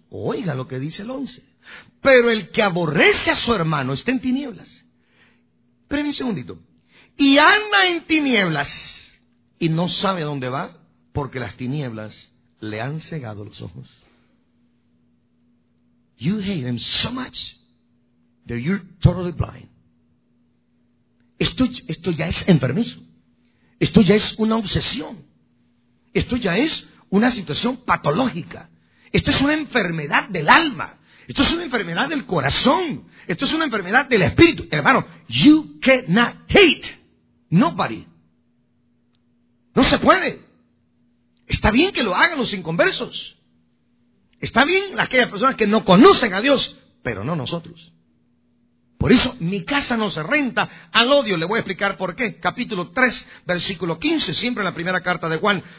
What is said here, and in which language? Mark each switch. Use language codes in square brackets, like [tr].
[es] Oiga lo que dice el 11. Pero el que aborrece a su hermano está en tinieblas. Espérenme un segundito. Y anda en tinieblas y no sabe a dónde va porque las tinieblas le han cegado los ojos. [en] You hate him so much that you're totally blind. [es] Esto ya es enfermizo. Esto ya es una obsesión. Esto ya es una situación patológica. Esto es una enfermedad del alma. Esto es una enfermedad del corazón. Esto es una enfermedad del espíritu. Hermano, [en] you cannot hate nobody. [es] No se puede. Está bien que lo hagan los inconversos. Está bien aquellas personas que no conocen a Dios, pero no nosotros. Por eso, mi casa no se renta al odio. Le voy a explicar por qué. Capítulo 3, versículo 15, siempre en la primera carta de Juan.